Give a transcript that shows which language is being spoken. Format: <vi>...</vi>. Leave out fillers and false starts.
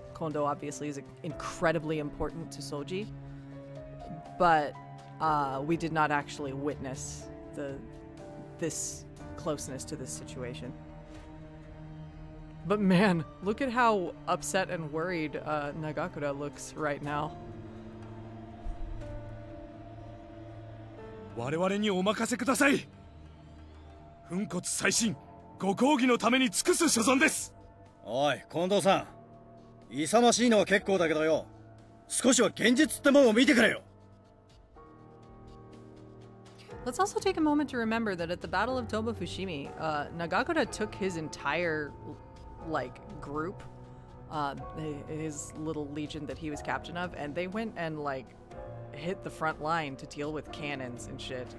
<en>Kondo obviously is incredibly important to Soji, but we did not actually witness this closeness to this situation. But man, look at how upset and worried Nagakura looks right now.</en> <ja>我々にお任せください。粉骨砕身、ご公儀のために尽くす所存です。おい、Kondo さん、勇ましいのは結構だけどよ、少しは現実ってもんを見てくれよ。</ja> <en>Let's also take a moment to remember that at the Battle of Toba Fushimi, Nagakura took his entire, like, group, his little legion that he was captain of, and they went and, like, hit the front line to deal with cannons and shit.</en>